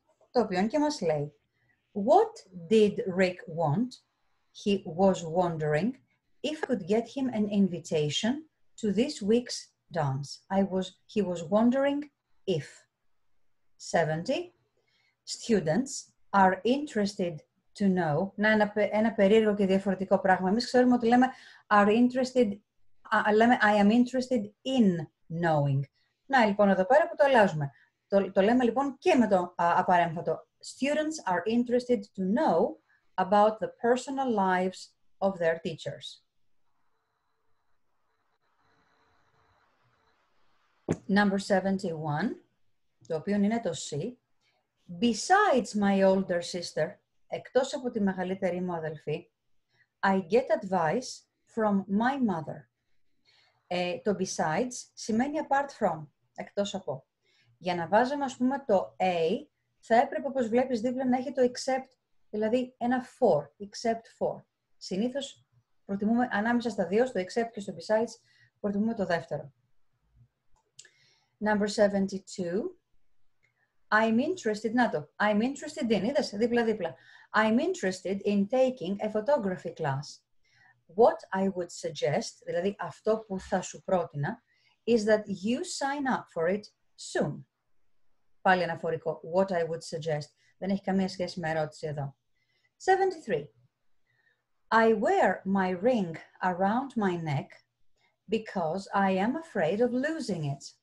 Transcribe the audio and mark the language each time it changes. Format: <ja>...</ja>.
<el>Το οποίο και μας λέει,</el> <en>what did Rick want? He was wondering if I could get him an invitation to this week's dance. He was wondering if. 70. Students are interested to know.</en> <el>Να, ένα περίεργο και διαφορετικό πράγμα. Εμείς ξέρουμε ότι λέμε,</el> <en>are interested, λέμε, I am interested in knowing.</en> <el>Να, λοιπόν, εδώ πέρα που το αλλάζουμε. Το λέμε λοιπόν και με το απαρέμφατο.</el> <en>Students are interested to know about the personal lives of their teachers.</en> <el>Number 71, το οποίο είναι το C.</el> <en>Besides my older sister,</en> <el>εκτός από τη μεγαλύτερη μου αδελφή,</el> <en>I get advice from my mother.</en> <el>Το besides σημαίνει</el> <en>apart from,</en> <el>εκτός από. Για να βάζουμε, ας πούμε, το A, θα έπρεπε, όπως βλέπεις δίπλα, να έχει το except, δηλαδή ένα for,</el> <en>except for.</en> <el>Συνήθως, προτιμούμε ανάμεσα στα δύο, στο except και στο besides, προτιμούμε το δεύτερο.</el> <en>Number 72. I'm interested,</en> <el>να το,</el> <en>I'm interested in,</en> <el>είδες, δίπλα-δίπλα.</el> <en>I'm interested in taking a photography class. What I would suggest,</en> <el>δηλαδή αυτό που θα σου πρότεινα,</el> <en>is that you sign up for it soon.</en> <el>Πάλι αναφορικό.</el> <en>What I would suggest.</en> <el>Δεν έχει καμία σχέση με ερώτηση εδώ.</el> <en>73. I wear my ring around my neck because I am afraid of losing it.</en>